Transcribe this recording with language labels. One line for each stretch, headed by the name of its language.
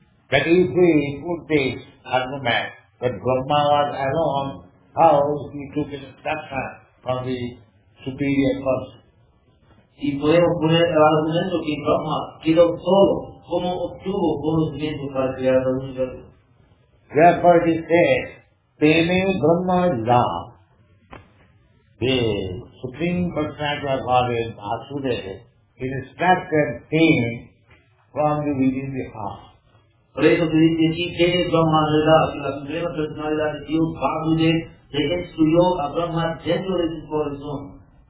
English: That is the important argument that Brahma was alone, how he took instruction from the superior person.
Spanish: Y podemos poner el argumento que Brahma quedó solo, como obtuvo conocimiento para crear la universo.
English: Therefore, he said, Teme Brahma Ya, the Supreme Personality of Godhead, Vasudeva, instructed him from the within the heart.
Spanish: Por eso se dice aquí, Teme Brahma Ya, que la Suprema Personalidad de Dios, Vasudeva, le instruyó a Brahma dentro de su corazón.